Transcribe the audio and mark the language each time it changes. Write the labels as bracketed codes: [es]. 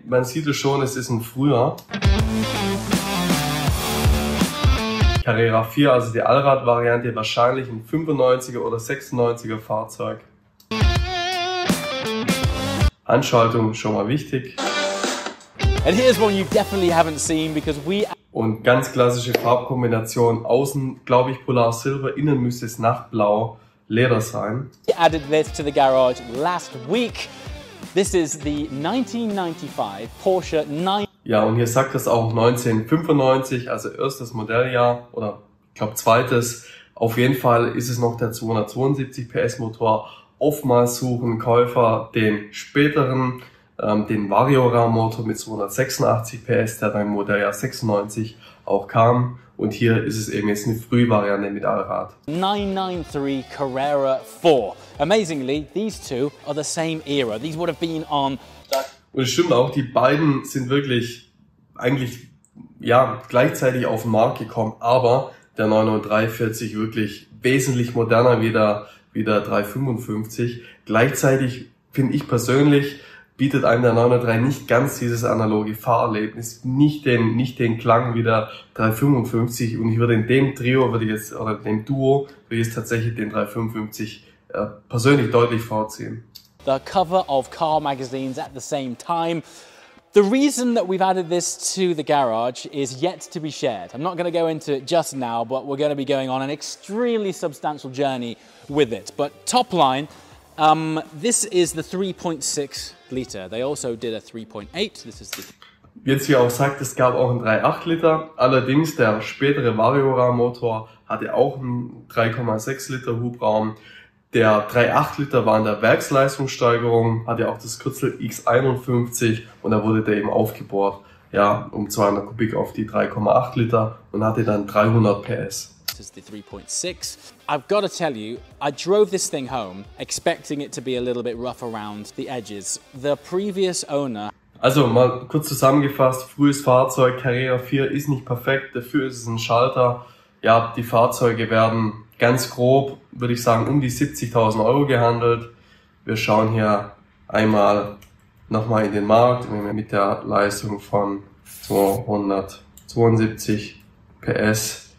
[de] Man sieht es schon, es ist ein früher. Carrera 4, also die Allrad-Variante, wahrscheinlich ein 95er oder 96er Fahrzeug. Anschaltung schon mal wichtig. [en] And here's one you definitely haven't seen because we... [de] Und ganz klassische Farbkombination, außen glaube ich Polar Silber, innen müsste es Nachtblau Leder sein. [en] We added this to the garage last week. This is the 1995 Porsche 9. [de] Ja, und hier sagt es auch 1995, also erstes Modelljahr oder ich glaube zweites. Auf jeden Fall ist es noch der 272 PS Motor. Oftmals suchen Käufer den späteren, den Variorama Motor mit 286 PS, der dann im Modelljahr 96 auch kam. Und hier ist es eben jetzt eine Frühvariante mit Allrad. 993 Carrera 4. [en] Amazingly, these two are the same era. These would have been on. [de] Und es stimmt auch, die beiden sind wirklich eigentlich ja gleichzeitig auf den Markt gekommen. Aber der 993 fährt sich wirklich wesentlich moderner wie der 355. Gleichzeitig finde ich persönlich bietet einem der 903 nicht ganz dieses analoge Fahrerlebnis, nicht den Klang wie der 355. Und ich würde in dem Trio, würde ich jetzt tatsächlich den 355 persönlich deutlich vorziehen. [en] The cover of car magazines at the same time. The reason that we've added this to the garage is yet to be shared. I'm not going to go into it just now, but we're going to be going on an extremely substantial journey with it. But top line, this is the 3.6 liter. They also did a 3.8. This is the... [de] Jetzt wie auch sagt, es gab auch einen 3.8 Liter. Allerdings der spätere Variorama Motor hatte auch einen 3.6 Liter Hubraum. Der 3.8 Liter war in der Werksleistungssteigerung, hatte auch das Kürzel X51 und da wurde der eben aufgebohrt, ja, um 200 Kubik auf die 3.8 Liter und hatte dann 300 PS. [en] This is the 3.6. I've got to tell you, I drove this thing home, expecting it to be a little bit rough around the edges. The previous owner... [de] Also mal kurz zusammengefasst, frühes Fahrzeug, Carrera 4 ist nicht perfekt, dafür ist es ein Schalter. Ja, die Fahrzeuge werden ganz grob, würde ich sagen, um die 70.000 Euro gehandelt. Wir schauen hier einmal nochmal in den Markt, mit der Leistung von 272 PS.